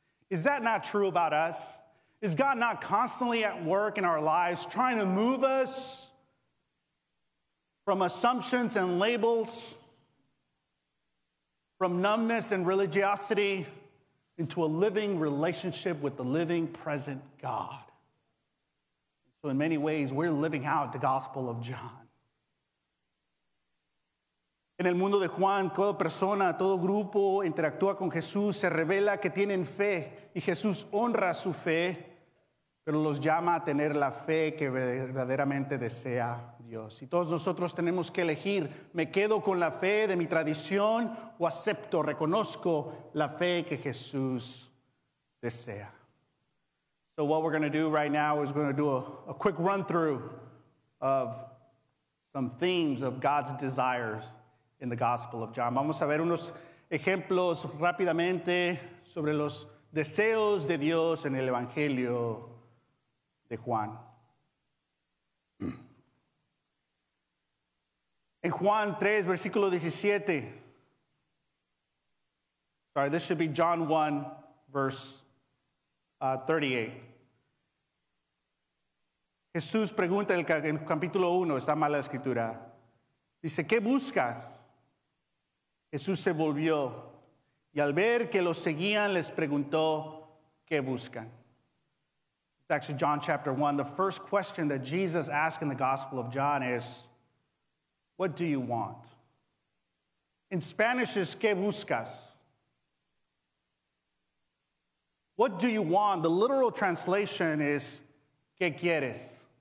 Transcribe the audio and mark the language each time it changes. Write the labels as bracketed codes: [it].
[en] Is that not true about us? Is God not constantly at work in our lives trying to move us from assumptions and labels, from numbness and religiosity, into a living relationship with the living, present God? So in many ways, we're living out the Gospel of John. [es] En el mundo de Juan, toda persona, todo grupo interactúa con Jesús, se revela que tienen fe, y Jesús honra su fe, pero los llama a tener la fe que verdaderamente desea Dios. Y todos nosotros tenemos que elegir, ¿me quedo con la fe de mi tradición o acepto, reconozco la fe que Jesús desea? [en] So what we're going to do right now is going to do a quick run through of some themes of God's desires in the Gospel of John. [es] Vamos a ver unos ejemplos rápidamente sobre los deseos de Dios en el Evangelio de Juan. En Juan 3, versículo 17. [en] Sorry, this should be John 1, verse 38. [es] Jesús pregunta en capítulo 1, está mal la escritura. Dice, ¿qué buscas? Jesús se volvió y al ver que los seguían, les preguntó, ¿qué buscan? [en] It's actually John chapter 1. The first question that Jesus asked in the Gospel of John is, what do you want? In Spanish, it's [es] ¿qué buscas? [en] What do you want? The literal translation is [es] ¿qué quieres?